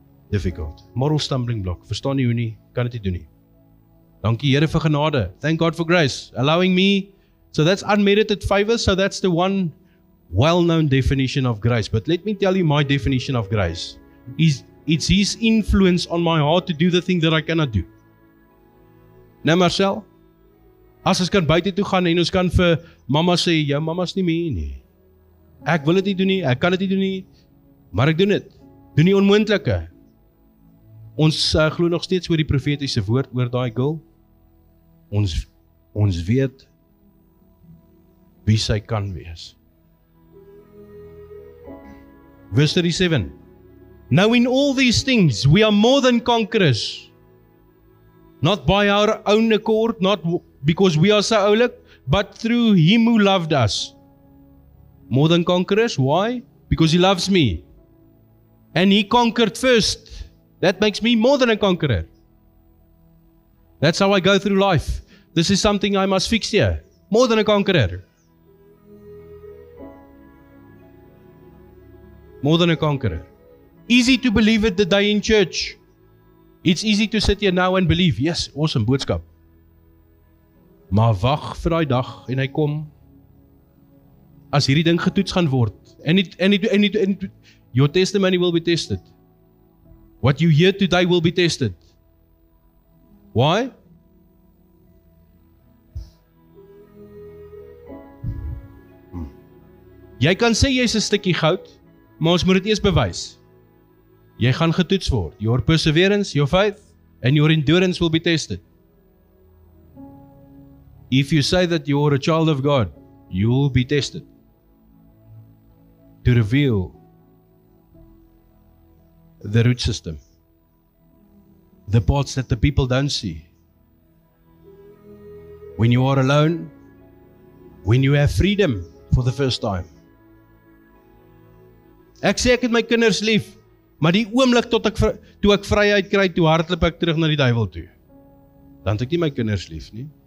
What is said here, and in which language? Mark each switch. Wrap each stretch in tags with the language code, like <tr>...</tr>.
<en>Difficult. Moral stumbling block.</en> <af>Verstaan jy hoe nie? Kan dit nie doen nie. Dankie Here vir genade.</af> <en>Thank God for grace. Allowing me. So that's unmerited favor. So that's the one well-known definition of grace. But let me tell you my definition of grace. It's His influence on my heart to do the thing that I cannot do.</en> <af>Nee Marcel? As ons kan buite toe gaan en ons kan vir mama sê, jou mama's nie meer nie. Ek wil dit nie doen nie. Ek kan dit nie doen nie. Maar ek doen dit. Doen die onmoontlike. Ons glo nog steeds oor die profetiese woord oor daai girl. Ons weet wie sy kan wees.</af> <en>Verse 37. Now in all these things we are more than conquerors. Not by our own accord, not because we are so oulik, but through Him who loved us. More than conquerors, why? Because He loves me. And He conquered first. That makes me more than a conqueror. That's how I go through life. This is something I must fix here. More than a conqueror. More than a conqueror. Easy to believe it the day in church. It's easy to sit here now and believe. Yes, awesome boodskap.</en> <af>Maar wag vir daai dag en hy kom. As hierdie ding getoets gaan word.</af> <en>And your testimony will be tested. What you hear today will be tested. Why? Hmm.</en> <af>Jy kan sê jy's 'n stukkie goud, maar ons moet dit eers bewys. Jy gaan getoets word.</af> <en>Your perseverance, your faith, and your endurance will be tested. If you say that you are a child of God, you will be tested. To reveal the root system. The parts that the people don't see. When you are alone, when you have freedom for the first time.</en> <af>Ek sê ek het my kinders lief, maar die oomblik toe ek vryheid kry, toe hardloop ek terug na die duiwel toe. Dan het ek nie my kinders lief nie.</af>